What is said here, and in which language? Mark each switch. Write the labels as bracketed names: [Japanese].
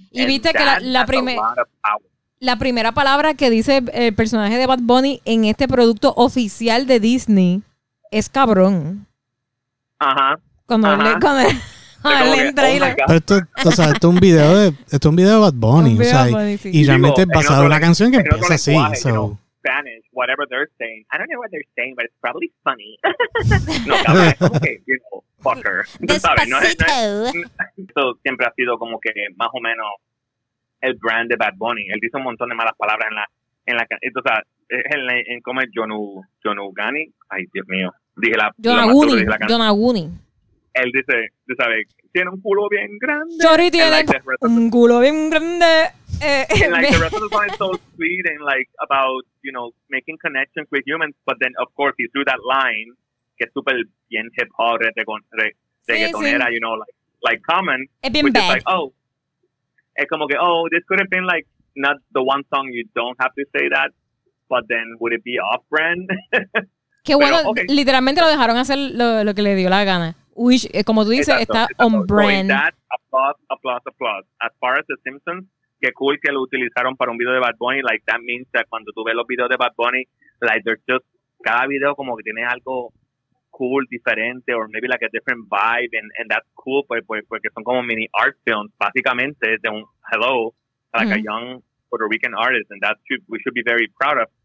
[Spanish] Y viste que la primera palabra que dice el personaje de Bad Bunny en este producto oficial de Disney es cabrón. Ajá. cuando ajá. le cuando le entra y pero esto, o sea, esto es un video de esto es un video de Bad Bunny, o sea, Bad Bunny, sí. Y realmente digo, basado en una canción que empieza así, lenguaje, so. [English] You know, Spanish, whatever they're saying. I don't know what they're saying, but it's probably funny. No, okay, you know, fucker. Despacito. [Spanish] ¿Sabes? Esto siempre ha sido como que más o menos el brand de Bad Bunny. Él dice un montón de malas palabras en la entonces, o sea, en cómo es Jonaguni. Ay, Dios mío. Dije la Jonaguni. Jonaguni. Él dice, tú sabes, tiene un culo bien grande. Chori tiene un culo bien grande. [English] And like the rest of the song is so sweet and like about, you know, making connections with humans. But then, of course, he threw that line, [Spanish] que es super bien hip hop, reggaetonera, [English] you know, like common. It's been bad. Like, oh, [Spanish] es como que, [English] oh, this could have been like not the one song you don't have to say that. But then, would it be off brand? [Spanish] Que bueno, okay. Literalmente lo dejaron hacer lo que le dio la gana. Which, como tú dices, exacto, está exacto. [English] On brand. So that, applause. As far as [Spanish] The Simpsons, qué cool que lo utilizaron para un video de Bad Bunny. [English] Like, that means that [Spanish] cuando tú ves los videos de Bad Bunny, [English] like, they're just, [Spanish] cada video como que tiene algo cool, diferente, [English] or maybe like a different vibe, and that's cool, [Spanish] porque son como mini art films, básicamente, de un [English] hello, like a young Puerto Rican artist, and that we should be very proud of.